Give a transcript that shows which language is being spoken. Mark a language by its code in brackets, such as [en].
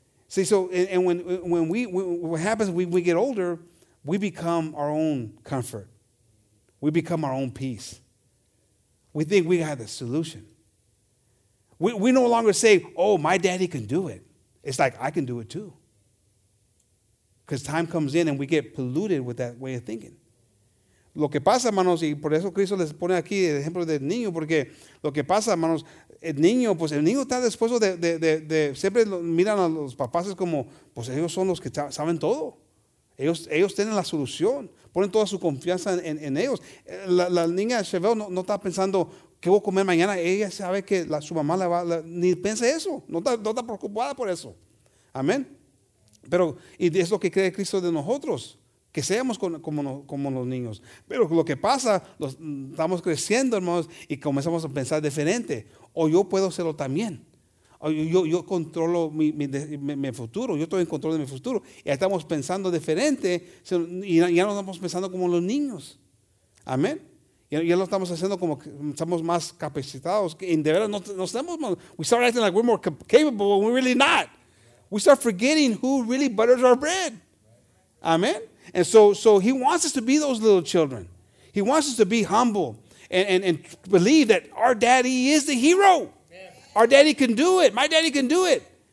[en] See, so, and when what happens, we get older, we become our own comfort. We become our own peace. We think we have the solution. We no longer say, oh, my daddy can do it. It's like, I can do it too. Because time comes in and we get polluted with that way of thinking. [es] Lo que pasa, hermanos, y por eso Cristo les pone aquí el ejemplo del niño, porque lo que pasa, hermanos, el niño está dispuesto de siempre miran a los papás como, pues ellos son los que saben todo. Ellos tienen la solución. Ponen toda su confianza en ellos. La niña Chevelle no está pensando, ¿qué voy a comer mañana? Ella sabe que su mamá ni piensa eso. No está preocupada por eso. Amén. Pero, y es lo que cree Cristo de nosotros. Que seamos como los niños. Pero lo que pasa, estamos creciendo, hermanos, y comenzamos a pensar diferente. O yo puedo hacerlo también. O yo controlo mi futuro. Yo estoy en control de mi futuro. Y estamos pensando diferente. Y ya no estamos pensando como los niños. Amén. Ya lo estamos haciendo como que estamos más capacitados. Y de verdad, no estamos más. [en] We start acting like we're more capable when we're really not. We start forgetting who really butters our bread. Amen. And so he wants us to be those little children. He wants us to be humble and believe that our daddy is the hero. Yeah. Our daddy can do it. My daddy can do it.